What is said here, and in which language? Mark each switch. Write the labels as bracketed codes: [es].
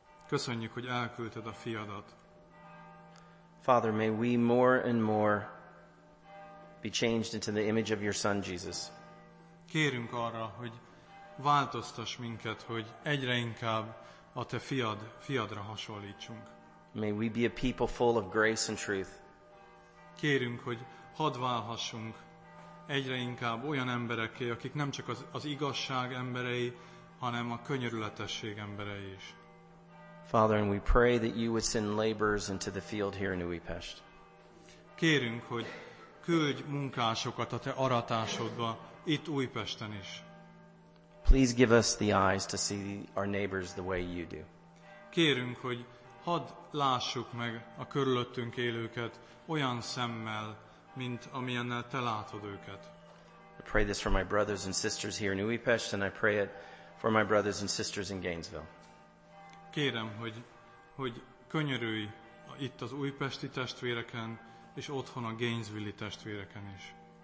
[hu] Köszönjük, hogy elküldted a fiadat. [en] Father, may we more and more be changed into the image of your son Jesus. [hu] Kérünk arra, hogy változtass minket, hogy egyre inkább a te fiadra hasonlítsunk. [en] May we be a people full of grace and truth. [hu] Kérünk, hogy hadd válhassunk egyre inkább olyan emberekké, akik nem csak az igazság emberei, hanem a könyörületesség emberei is. [en] Father, and we pray that you would send laborers into the field here in Újpest. [hu] Kérünk, hogy küldj munkásokat a te aratásodba itt Újpesten is. [en] Please give us the eyes to see our neighbors the way you do. [hu] Kérünk, hogy hadd lássuk meg a körülöttünk élőket olyan szemmel, mint amilyennel te látod őket. [en] I pray this for my brothers and sisters here in Újpest, and I pray it for my brothers and sisters in Gainesville. [hu] Kérem, hogy könyörülj itt az újpesti testvéreken, és otthon a Gainesville-i testvéreken is.